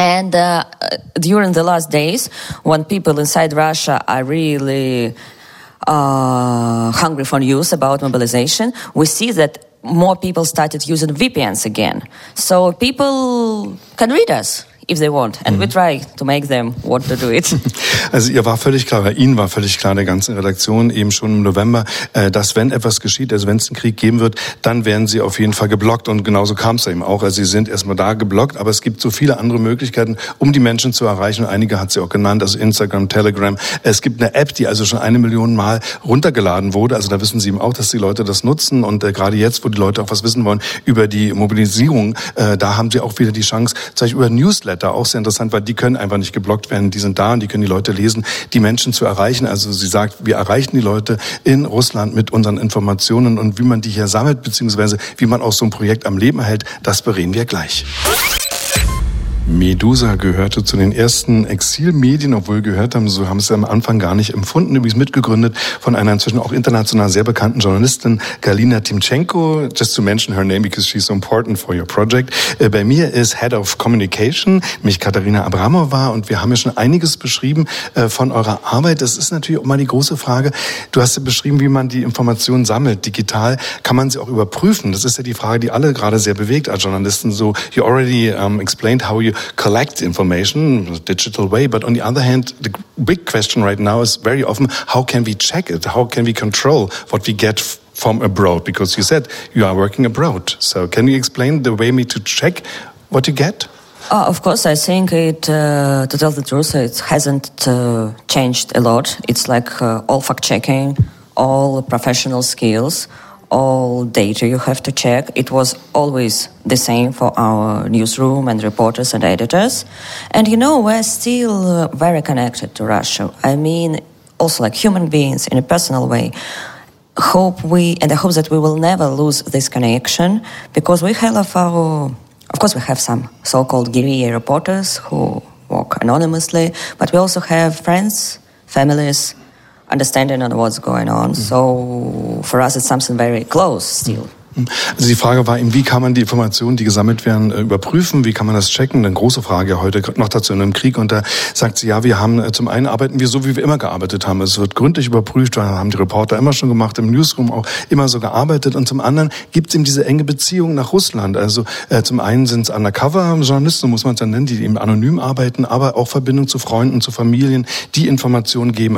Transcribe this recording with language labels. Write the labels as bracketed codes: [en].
[en] And during the last days, when people inside Russia are really hungry for news about mobilization, we see that more people started using VPNs again. So people can read us if they want. And we try to make them want to do it. [de] Also ihr war völlig klar, bei Ihnen war völlig klar, der ganzen Redaktion eben schon im November, dass wenn etwas geschieht, also wenn es einen Krieg geben wird, dann werden Sie auf jeden Fall geblockt. Und genauso kam es eben auch. Also Sie sind erstmal da geblockt, aber es gibt so viele andere Möglichkeiten, um die Menschen zu erreichen. Einige hat sie auch genannt, also Instagram, Telegram. Es gibt eine App, die also schon 1 Million Mal runtergeladen wurde. Also da wissen Sie eben auch, dass die Leute das nutzen. Und gerade jetzt, wo die Leute auch was wissen wollen über die Mobilisierung, da haben Sie auch wieder die Chance, zum Beispiel über Newsletter. Da auch sehr interessant, weil die können einfach nicht geblockt werden. Die sind da und die können die Leute lesen, die Menschen zu erreichen. Also sie sagt, wir erreichen die Leute in Russland mit unseren Informationen und wie man die hier sammelt, beziehungsweise wie man auch so ein Projekt am Leben hält, das bereden wir gleich. Medusa gehörte zu den ersten Exilmedien, obwohl gehört haben, so haben sie es am Anfang gar nicht empfunden. Übrigens mitgegründet von einer inzwischen auch international sehr bekannten Journalistin, Galina Timchenko. [en] Just to mention her name, because she's so important for your project. [de] Bei mir ist Head of Communication, mich Katharina Abramova. Und wir haben ja schon einiges beschrieben von eurer Arbeit. Das ist natürlich auch mal die große Frage. Du hast ja beschrieben, wie man die Informationen sammelt. Digital kann man sie auch überprüfen. Das ist ja die Frage, die alle gerade sehr bewegt als Journalisten. [en] So, you already explained how you collect information in a digital way, but on the other hand, the big question right now is very often, how can we check it? How can we control what we get from abroad? Because you said you are working abroad. So can you explain the way me to check what you get? Of course, I think it, to tell the truth, it hasn't changed a lot. It's like all fact-checking, all professional skills, all data you have to check. It was always the same for our newsroom and reporters and editors. And you know, we're still very connected to Russia. I mean, also like human beings in a personal way. I hope that we will never lose this connection because we have of course, we have some so-called guerrilla reporters who work anonymously, but we also have friends, families, understanding on what's going on. So for us it's something very close still. [de] Also die Frage war eben, wie kann man die Informationen, die gesammelt werden, überprüfen? Wie kann man das checken? Eine große Frage heute noch dazu in einem Krieg. Und da sagt sie, ja, wir haben zum einen arbeiten wir so, wie wir immer gearbeitet haben. Es wird gründlich überprüft, haben die Reporter immer schon gemacht, im Newsroom auch immer so gearbeitet. Und zum anderen gibt es eben diese enge Beziehung nach Russland. Also zum einen sind es Undercover-Journalisten, muss man es dann nennen, die eben anonym arbeiten, aber auch Verbindung zu Freunden, zu Familien, die Informationen geben.